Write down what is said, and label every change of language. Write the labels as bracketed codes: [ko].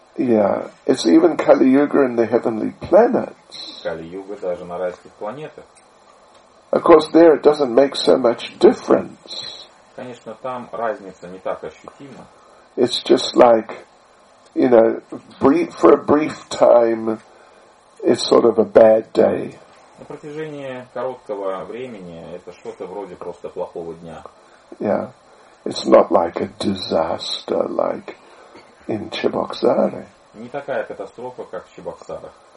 [en] Yeah, it's even Kali Yuga in the heavenly planets. [ru] Kali Yuga даже на райских планетах. [en] Of course, there it doesn't make so much difference. [ru] Конечно, там разница не так ощутима. [en] It's just like, you know, for a brief time, it's sort of a bad day. [ru] На протяжении короткого времени это что-то вроде просто плохого дня. [en] Yeah, it's not like a disaster like in Chebokseri. [ru] Не такая катастрофа, как в Чебоксарах.